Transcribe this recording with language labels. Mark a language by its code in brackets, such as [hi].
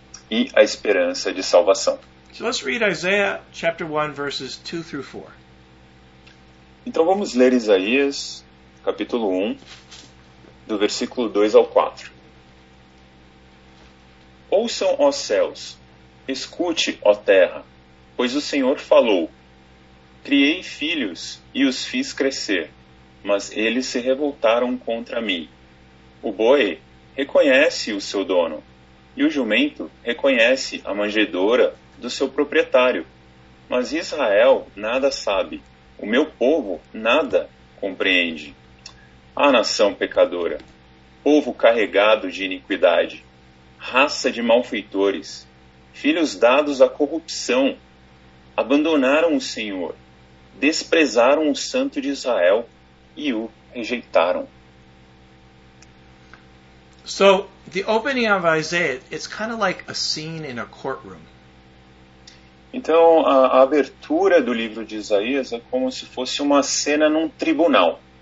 [pt] E a esperança de salvação. [en] So let's read Isaiah chapter 1 verses 2 through 4. [pt] Então vamos ler Isaías capítulo 1 do versículo 2 ao 4. Ouçam, ó céus, escute, ó terra, pois o Senhor falou: criei filhos e os fiz crescer, mas eles se revoltaram contra mim. O boi reconhece o seu dono, e o jumento reconhece a manjedoura do seu proprietário. Mas Israel nada sabe, o meu povo nada compreende. Ah, nação pecadora, povo carregado de iniquidade, raça de malfeitores, filhos dados à corrupção, abandonaram o Senhor, desprezaram o Santo de Israel e o rejeitaram. [en] So, the opening of Isaiah, it's kind of like a scene in a courtroom. [pt] Então, a abertura do livro de Isaías é como se fosse uma cena num tribunal.